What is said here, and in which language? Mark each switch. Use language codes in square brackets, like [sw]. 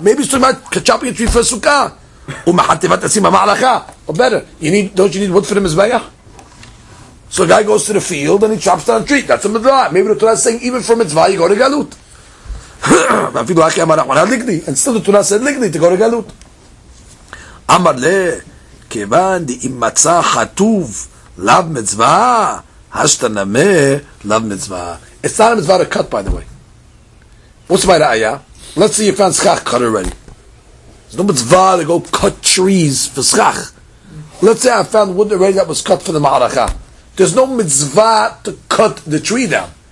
[en] Maybe it's talking about chopping a tree for a sukkah. [he] Umahativat etzim ma'alacha. [en] Or better, don't you need wood for the mizbeah? So a guy goes to the field and he chops down a tree. That's a mitzvah. Maybe the Torah is saying, even for mitzvah, you go to galut. And still the Torah said, ligni, to go to galut. Amar le. [he] כיוון דאם מצא חטוב לאו מצווה, השתנמה לאו מצווה. [en] It's not a mitzvah to cut, by the way. What's my ra'ayah? Let's say you found schach cut already. It's no mitzvah to go cut trees for schach. Let's say I found wood already that was cut for the ma'aracha. There's no mitzvah to cut the tree down.